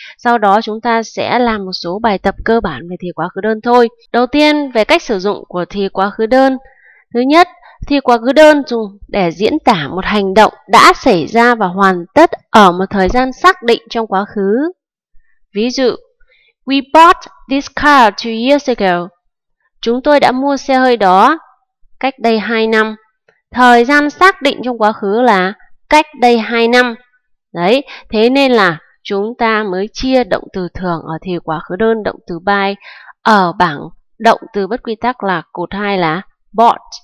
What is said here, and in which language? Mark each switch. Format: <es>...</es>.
<vi>Sau đó chúng ta sẽ làm một số bài tập cơ bản về thì quá khứ đơn thôi. Đầu tiên về cách sử dụng của thì quá khứ đơn. Thứ nhất, thì quá khứ đơn dùng để diễn tả một hành động đã xảy ra và hoàn tất ở một thời gian xác định trong quá khứ. Ví dụ,</vi> <en>we bought this car 2 years ago.</en> <vi>Chúng tôi đã mua xe hơi đó cách đây 2 năm. Thời gian xác định trong quá khứ là cách đây 2 năm. Đấy, thế nên là chúng ta mới chia động từ thường ở thì quá khứ đơn, động từ buy ở bảng động từ bất quy tắc là cột 2 là bought.</vi>